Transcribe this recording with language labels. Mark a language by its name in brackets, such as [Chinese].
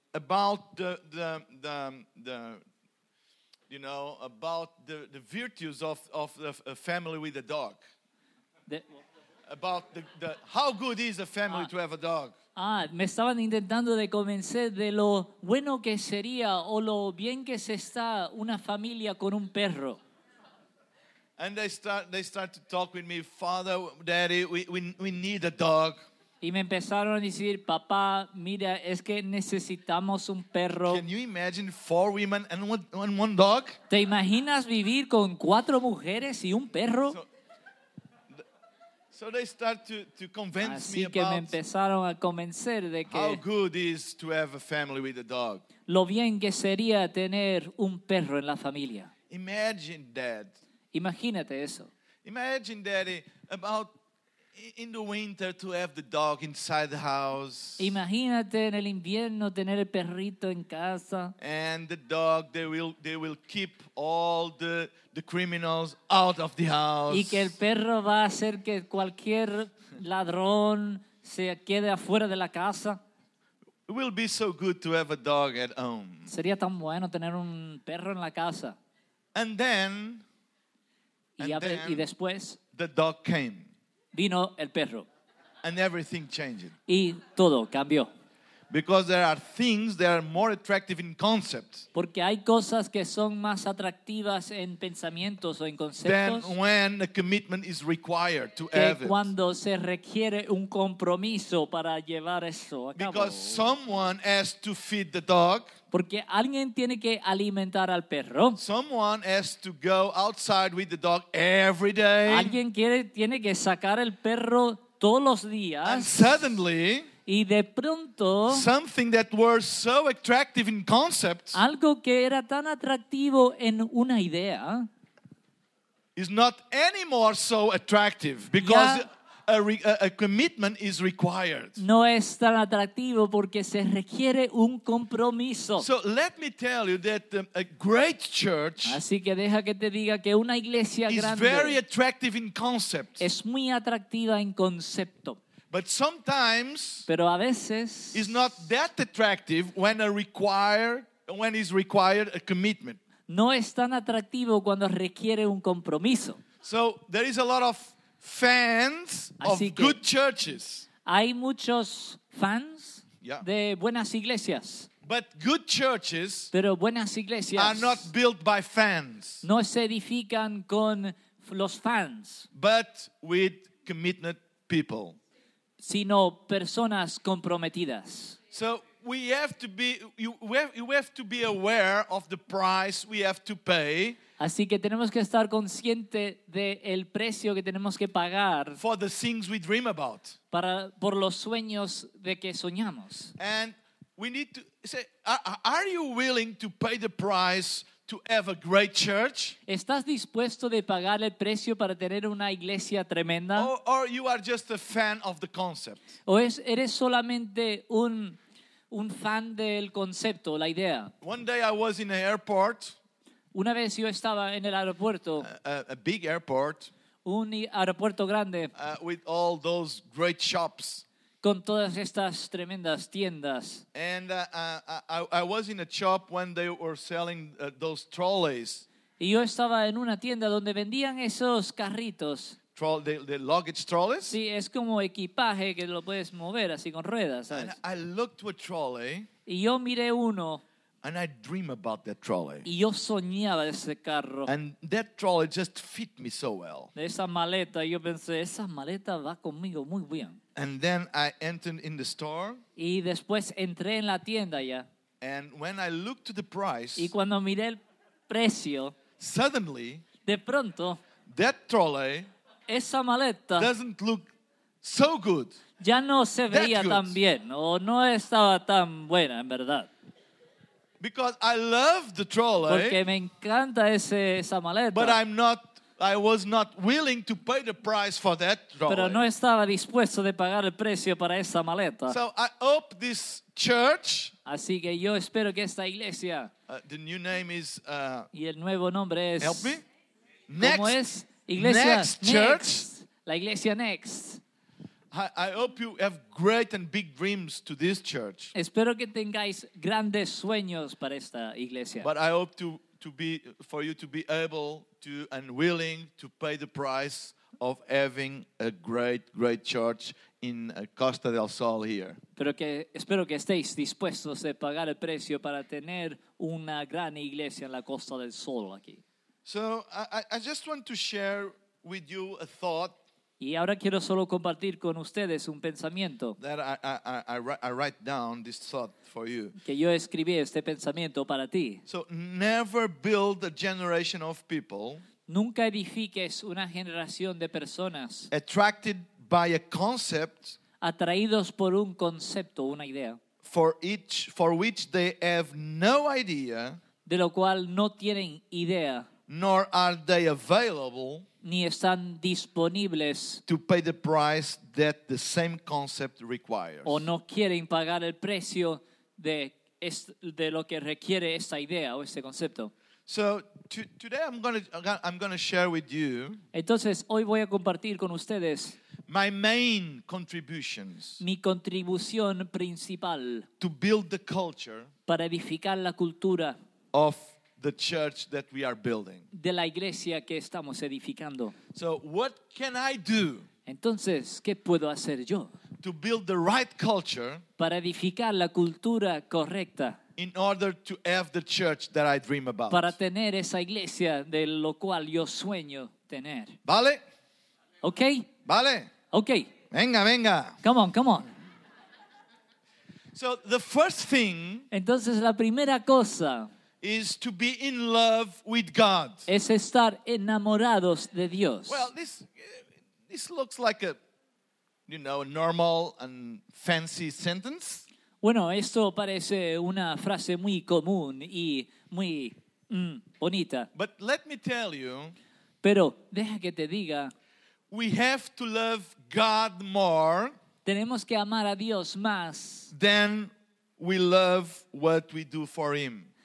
[English] About the virtues of a family with a dog. About the how good is a family to have a dog. [Spanish] Ah, me estaban intentando de convencer de lo bueno que sería o lo bien que se está una familia con un perro. [English] And they start to talk with me, father, daddy, we need a dog. [Spanish] Y me empezaron a decir, papá, mira, es que necesitamos un perro. [English] Can you imagine four women and one dog? [Spanish] ¿Te imaginas vivir con cuatro mujeres y un perro? [English] So they start to convince [Spanish] Así [English] me about [Spanish] que me empezaron a convencer de que [English] how good is to have a family with a dog. [Spanish] Lo bien que sería tener un perro en la familia. [English] Imagine that. [Spanish] Imagínate eso. [English] Imagine, daddy, about in the winter to have the dog inside the house. [Spanish] Imagínate en el invierno tener el perrito en casa. [English] And the dog, they will keep all the criminals out of the house. [Spanish] Y que el perro va a hacer que cualquier ladrón se quede afuera de la casa. [English] It will be so good to have a dog at home. [Spanish] Sería tan bueno tener un perro en la casa. [English] And then, [Spanish] y después, [English] the dog came. [Spanish] Vino el perro. [English] And everything changed. [Spanish] Y todo cambió. [English] Because there are things that are more attractive in concept. [Spanish] Porque hay cosas que son más atractivas en pensamientos o en conceptos. [English] Than when a commitment is required to have it. [Spanish] Cuando se requiere un compromiso para llevar eso a cabo. [English] Because someone has to feed the dog. [Spanish] Porque alguien tiene que alimentar al perro. [English] Someone has to go outside with the dog every day. [Spanish] Alguien tiene que sacar el perro todos los días. [English] And suddenly, [Spanish] y de pronto, [English] something that was so attractive in concept, [Spanish] algo que era tan atractivo en una idea, [English] is not anymore so attractive because a commitment is required. [Spanish] No es tan atractivo porque se requiere un compromiso. [English] So let me tell you that a great church, [Spanish] así que deja que te diga que una iglesia [English] is [Spanish] grande, [English] very attractive in concept. [Spanish] Es muy atractiva en concepto. [English] But sometimes, [Spanish] pero a veces, [English] is not that attractive when is required a commitment. [Spanish] No es tan atractivo cuando requiere un compromiso. [English] So there is a lot of fans of good churches. [Spanish] Hay muchos fans de buenas iglesias. [English] But good churches, [Spanish] pero buenas iglesias, [English] are not built by fans. [Spanish] No se edifican con los fans. [English] But with committed people. [Spanish] Sino personas comprometidas. [English] So we have to be aware of the price we have to pay. [Spanish] Así que tenemos que estar consciente del precio que tenemos que pagar. [English] For the things we dream about. [Spanish] Por los sueños de que soñamos. [English] And we need to say, are you willing to pay the price to have a great church? [Spanish] ¿Estás dispuesto de pagar el precio para tener una iglesia tremenda? [English] Or you are just a fan of the concept. [Spanish] ¿O eres solamente un fan del concepto, la idea? [English] One day I was in an airport. [Spanish] Una vez yo estaba en el aeropuerto. [English] A big airport. [Spanish] un aeropuerto grande. [English] With all those great shops. [Spanish] Con todas estas tremendas tiendas. [English] And I was in a shop when they were selling those trolleys. [Spanish] Y yo estaba en una tienda donde vendían esos carritos. [English] The luggage trolleys? [Spanish] Sí, es como equipaje que lo puedes mover así con ruedas, ¿sabes? [English] And I looked to a trolley. [Spanish] Y yo miré uno. [English] And I dream about that trolley. [Spanish] Y yo soñaba de ese carro. [English] And that trolley just fit me so well. [Spanish] De esa maleta, yo pensé, esa maleta va conmigo muy bien. [English] And then I entered in the store. [Spanish] Y después entré en la tienda ya. [English] And when I looked to the price. [Spanish] Y cuando miré el precio. [English] Suddenly. [Spanish] De pronto. [English] That trolley. [Spanish] Esa maleta. [English] Doesn't look so good. [Spanish] Ya no se veía tan bien. O no estaba tan buena, en verdad. [English] Because I love the trolley. [Spanish] Porque me encanta esa maleta. [English] But I was not willing to pay the price for that trolley. [Spanish] Pero no estaba dispuesto de pagar el precio para esa maleta. [English] So I hope this church. [Spanish] Así que yo espero que esta iglesia. [English] The new name is. [Spanish] Y el nuevo nombre es. [English] Help me. [Spanish] Next. ¿Cómo es? Iglesia [English] next, next church. [Spanish] La iglesia next. [English] I hope you have great and big dreams to this church. [Spanish] Espero que tengáis grandes sueños para esta iglesia. [English] But I hope to be for you to be able to and willing to pay the price of having a great, great church in Costa del Sol here. [Spanish] Pero que espero que estéis dispuestos a pagar el precio para tener una gran iglesia en la Costa del Sol aquí. [English] So I just want to share with you a thought. [Spanish] Y ahora quiero solo compartir con ustedes un pensamiento [English] I write down this thought for you. [Spanish] Que yo escribí este pensamiento para ti. [English] So, never build a generation of people. [Spanish] Nunca edifiques una generación de personas. [English] Attracted by a concept. [Spanish] Atraídos por un concepto, una idea. [English] For which they have no idea. [Spanish] De lo cual no tienen idea. [English] Nor are they available. [Spanish] Ni están disponibles [English] to pay the price that the same concept requires. [Spanish] O no quieren pagar el precio de lo que requiere esta idea o este concepto. [English] So today I'm going to share with you. [Spanish] Entonces hoy voy a compartir con ustedes [English] my main contributions. [Spanish] Mi contribución principal [English] to build the culture. [Spanish] Para edificar la cultura [English] of the church that we are building. [Spanish] De la iglesia que estamos edificando. [English] So what can I do? [Spanish] Entonces, ¿qué puedo hacer yo? [English] To build the right culture. [Spanish] Para edificar la cultura correcta. [English] In order to have the church that I dream about. [Spanish] Para tener esa iglesia de lo cual yo sueño tener. ¿Vale? [English] Okay. [Spanish] ¿Vale? [English] Okay. [Spanish] Venga, venga. [English] Come on, come on. So the first thing. [Spanish] Entonces la primera cosa. [English] Is to be in love with God. [Spanish] Es estar enamorados de Dios. [English] Well, this looks like a, you know, a normal and fancy sentence. [Spanish] Bueno, esto parece una frase muy común y muy bonita. [English] But let me tell you. [Spanish] Pero deja que te diga. [English] We have to love God more. [Spanish] Tenemos que amar a Dios más. [English] Than we love what we do for Him.